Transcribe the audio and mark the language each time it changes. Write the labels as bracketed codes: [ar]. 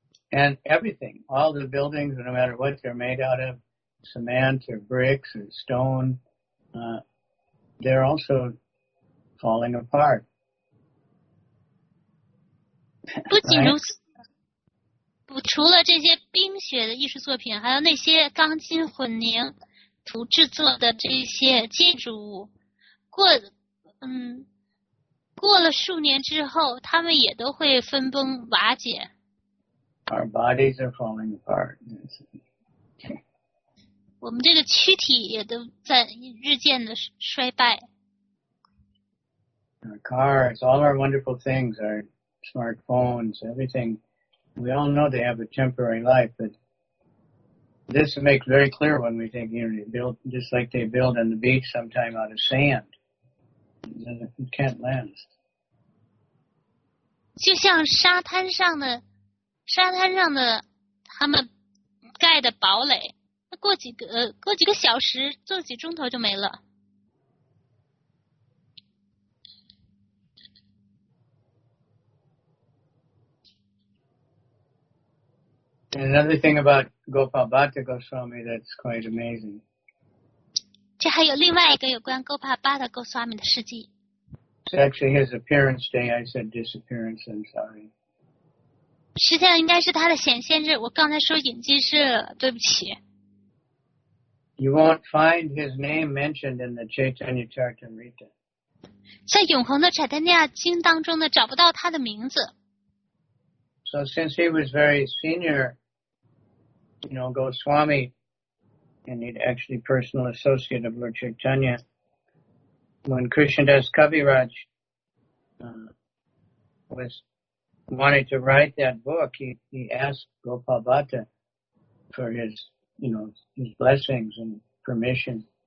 [en] And everything, all the buildings, no matter what they're made out of, cement or bricks or stone, they're also falling apart. [zh] 不仅如此，除了这些冰雪的艺术作品，还有那些钢筋混凝土制作的这些建筑物，过了数年之后，它们也都会分崩瓦解。 [en] Our bodies are falling apart. [zh] 我们这个躯体也都在日渐的衰败。 [en] Our cars, all our wonderful things are. Smartphones, everything. We all know they have a temporary life, but this makes very clear when we think, you know, they build, just like they build on the beach sometime out of sand, then it can't last. [zh] 就像沙滩上的他们盖的堡垒，过几个小时，坐几钟头就没了。 [en] And another thing about Gopal Bhatta Goswami that's quite amazing. [zh] 这还有另外一个有关 Gopal Bhatta Goswami 的事迹。 [en] It's actually his appearance day. I said disappearance. I'm sorry. [zh] 实际上应该是它的显现，就是我刚才说隐迹是，对不起。 [en] You won't find his name mentioned in the Chaitanya Charitamrita. [zh] 在永恒的 Chaitanya 经当中呢，找不到他的名字。 [en] So since he was very senior, you know, Goswami, and he'd actually personal associate of Lord Chaitanya, when Krishnadas Kaviraj, wanted to write that book, he asked Gopal Bhatta for his, you know, his blessings and permission.